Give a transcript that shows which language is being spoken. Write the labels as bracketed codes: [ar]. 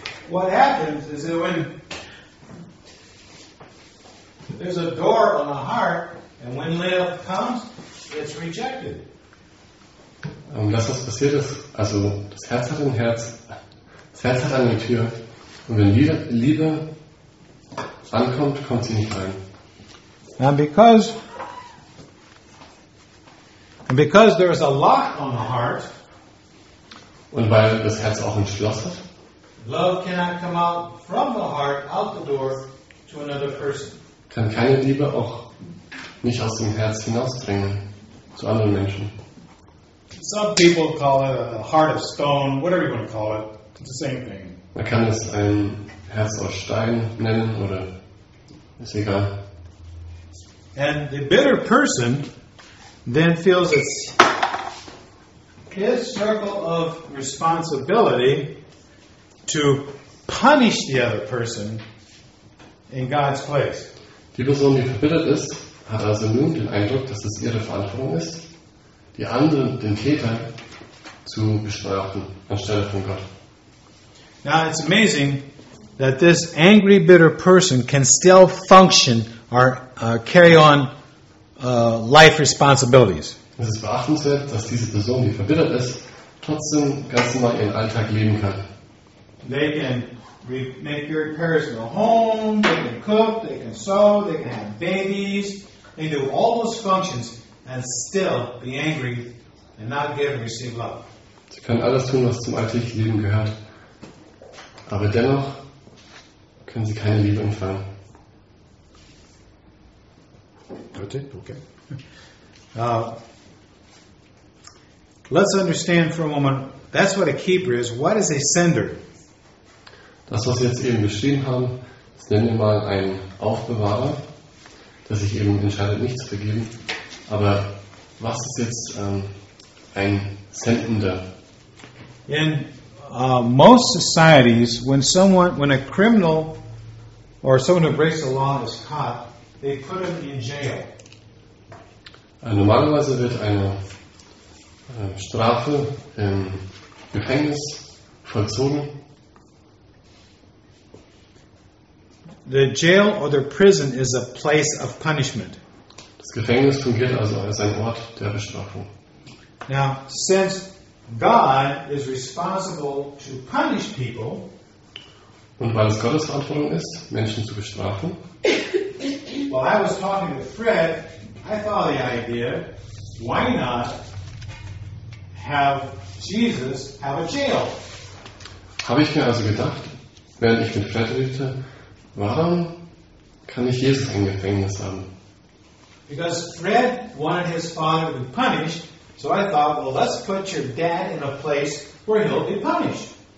[en] What happens is that when there's a door on the heart, and when love comes, it's rejected. [de] Das, was passiert ist, also das Herz hat ein Herz, das Herz hat eine Tür, und wenn Liebe ankommt, kommt sie nicht rein. [en] And because there is a lock on the heart, [de] und weil das Herz auch ein Schloss hat, [en] love cannot come out from the heart out the door to another person. [de] Kann keine Liebe auch nicht aus dem Herz hinausdringen zu anderen Menschen. [en] Some people call it a heart of stone, whatever you want to call it, it's the same thing. [de] Man kann es ein Herz aus Stein nennen oder ist egal. [en] And the bitter person then feels it's his circle of responsibility to punish the other person in God's place. [de] Die Person, die verbittert ist, hat also nun den Eindruck, dass es ihre Verantwortung ist, die anderen, den Täter, zu bestrafen anstelle von Gott. [en] Now it's amazing that this angry, bitter person can still function or carry on life responsibilities. [de] Es ist beachtenswert, dass diese Person, die verbittert ist, trotzdem ganz normal ihren Alltag leben kann. [en] They can make repairs in the home, they can cook, they can sew, they can have babies, they do all those functions and still be angry and not give and receive love. [de] Sie können alles tun, was zum alltäglichen Leben gehört, aber dennoch können sie keine Liebe empfangen. [en] Okay. Let's understand for a moment. That's what a keeper is. What is a sender? [de] Das, was wir jetzt eben beschrieben haben, das nennen wir mal ein Aufbewahrer, der sich eben entscheidet, nicht zu vergeben. Aber was ist jetzt ein Sendender? [en] In most societies, when a criminal or someone who breaks the law is caught, they put him in jail. [de] Normalerweise wird eine Strafe im Gefängnis vollzogen. [en] The jail or the prison is a place of punishment. [de] Das Gefängnis fungiert also als ein Ort der Bestrafung. [en] Now, since God is responsible to punish people, [de] und weil es Gottes Verantwortung ist, Menschen zu bestrafen, [en] while I was talking to Fred, I thought the idea, why not have Jesus have a jail? [de] Habe ich mir also gedacht, während ich mit Fred redete, warum kann nicht Jesus ein Gefängnis haben? [en] Because Fred wanted his father to be punished, so I thought, well, let's put your dad in a place where he'll be punished.